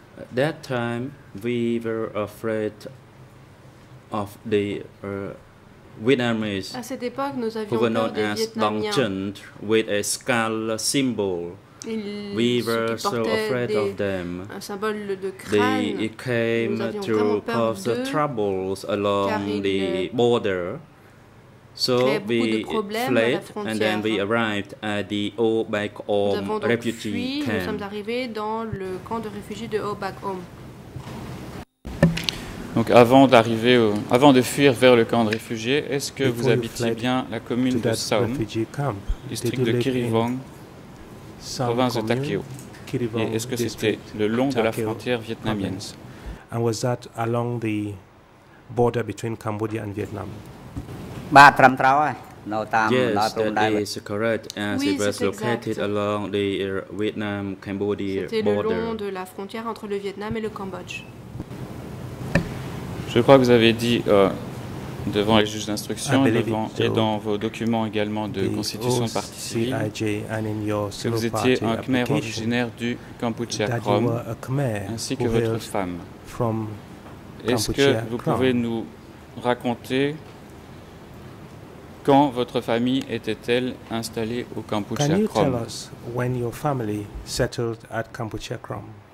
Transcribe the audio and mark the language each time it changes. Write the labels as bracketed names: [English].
[English] That time we were afraid of the Vietnamese. [French] À cette époque, nous avions peur des Vietnamiens. [English] Dong Chen with a skull symbol. We were so afraid of them. [French] Un symbole de crâne. [English] They came to cause troubles along the border. So we fled, and then we arrived at the Ho Bac Om refugee camp. [French] Nous avons fui, nous sommes arrivés dans le camp de réfugiés de Ho Bac Om. Donc avant d'arriver, avant de fuir vers le camp de réfugiés, est-ce que vous habitiez bien la commune de Saum, district de Kirivong, province de Takeo? Et est-ce que c'était le long de la frontière vietnamienne? [English] And was that along the border between Cambodia and Vietnam? Yes, that is correct, as it was located along the Vietnam-Cambodia border. [French] C'était le long de la frontière entre le Vietnam et le Cambodge. Je crois que vous avez dit devant les juges d'instruction et dans vos documents également de constitution de partie civile que vous étiez un Khmer originaire du Kampuchea Krom ainsi que votre femme. Est-ce que vous pouvez nous raconter quand votre famille était-elle installée au Kampuchea Krom? [English] Can you tell us when your family settled at Kampuchea Krom?